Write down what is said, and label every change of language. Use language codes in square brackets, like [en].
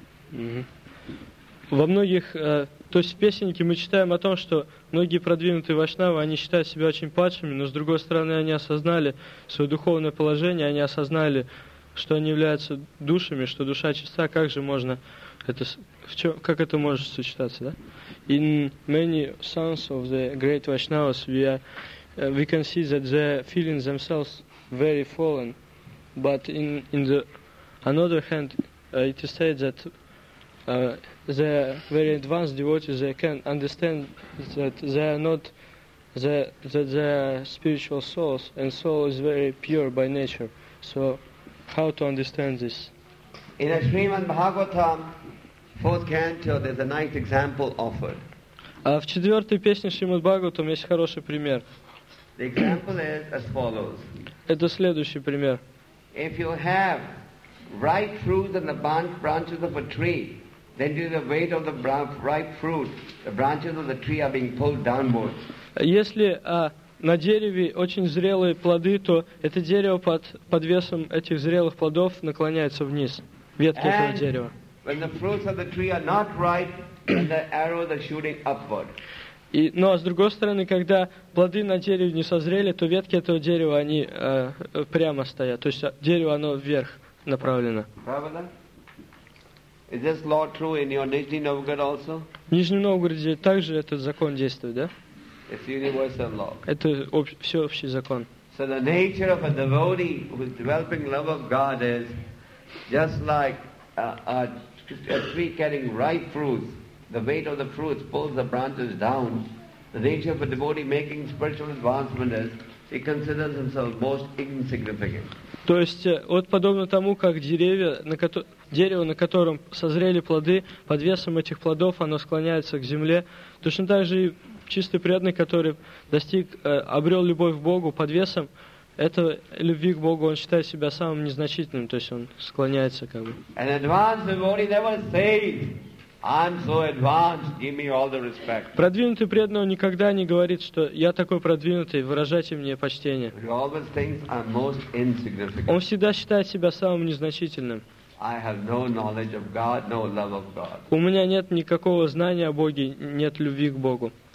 [ru] Во многих, то есть в песеннике мы читаем о том, что многие продвинутые вайшнавы, они считают себя очень падшими, но с другой стороны, они осознали свое духовное положение, они осознали, что они являются душами, что душа чиста, как же можно это, как это может сочетаться, да? [en] In many songs of the great Vaishnavas, we can see that they're feeling themselves very fallen, but in the another hand, it is said that the very advanced devotees, they can understand that they are not that they are spiritual souls, and soul is very pure by nature. So how to understand this? In a Srimad Bhagavatam, fourth canto, there's a nice example offered. [ru] В четвертой песне Шримад Бхагаватам есть хороший пример. [en] The example is as follows. [ru] Это следующий пример. [en] If you have ripe fruits in the branches of a tree, then due to the weight of the ripe fruit, the branches of the tree are being pulled downwards. [ru] Если на дереве очень зрелые плоды, то это дерево под весом этих зрелых плодов наклоняется вниз, ветки [en] and [ru] этого дерева. [en] When the fruits of the tree are not ripe, then the arrows are shooting upward. [ru] Но с другой стороны, когда плоды на дереве не созрели, то ветки этого дерева они прямо стоят, то есть дерево оно вверх направлено. Правда? [en] Is this law true in your Nizhny Novgorod also? [ru] В Нижнем Новгороде также этот закон действует, да? [en] It's universal law. [ru] Это всеобщий закон. [en] So the nature of a devotee who is developing love of God is just like a tree carrying ripe fruits. The weight of the fruits pulls the branches down. The nature of a devotee making spiritual advancement is he considers himself most insignificant. [ru] То есть вот подобно тому, как дерево, на котором созрели плоды, под весом этих плодов оно склоняется к земле. Точно так же и чистый преданный, который достиг, обрел любовь к Богу под весом этого любви к Богу, он считает себя самым незначительным, то есть он склоняется как бы. [en] An advanced devotee never says, I'm so advanced, give me all the respect. [ru] Продвинутый преданный никогда не говорит, что я такой продвинутый, выражайте мне почтение. [en] He always thinks I'm most insignificant. [ru] Он всегда считает себя самым незначительным. [en] I have no knowledge of God, no love of God. [ru] У меня нет никакого знания о Боге, нет любви к Богу.